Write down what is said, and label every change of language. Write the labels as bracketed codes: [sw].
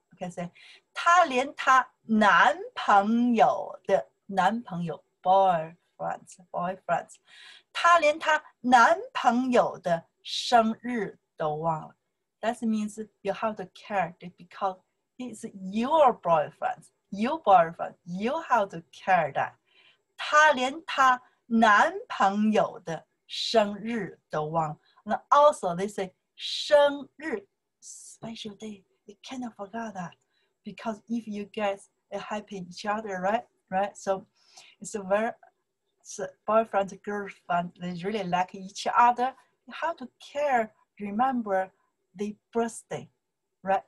[en] Okay. Say, [zh] 他连他男朋友的男朋友, [en] boyfriends, [zh] 他连他男朋友的生日都忘了. [en] That means you have to care because he's your boyfriend. Your boyfriend, you have to care that. [zh] 他连他男朋友的生日都忘了. [en] And also they say 生日, special day. You cannot forget that because if you guys are happy each other, right? Right? So it's a very so boyfriend, girlfriend, they really like each other. You have to care, remember the birthday, right?